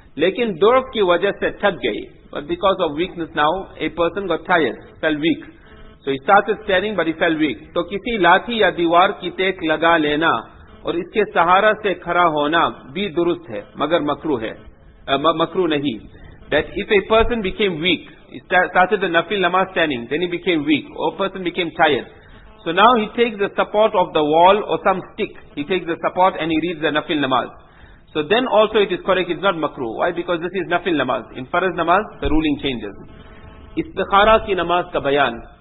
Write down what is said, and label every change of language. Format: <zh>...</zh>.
<ur>لیکن ضعف کی وجہ سے تھک گئی.</ur> <en>But because of weakness now, a person got tired, felt weak. So he started staring, but he felt weak.</en> <ur>تو کسی لاتھی یا دیوار کی ٹیک لگا لینا اور اس کے سہارا سے کھڑا ہونا بھی درست ہے مگر مکروہ ہے, مکروہ نہیں.</ur> <en>That if a person became weak, he started the nafil namaz standing, then he became weak, or person became tired. So now he takes the support of the wall or some stick, he takes the support and he reads the nafil namaz. So then also it is correct, it is not makruh. Why? Because this is nafil namaz. In faraz namaz, the ruling changes.</en> <ur>Istikhara ki namaz ka bayan.</ur>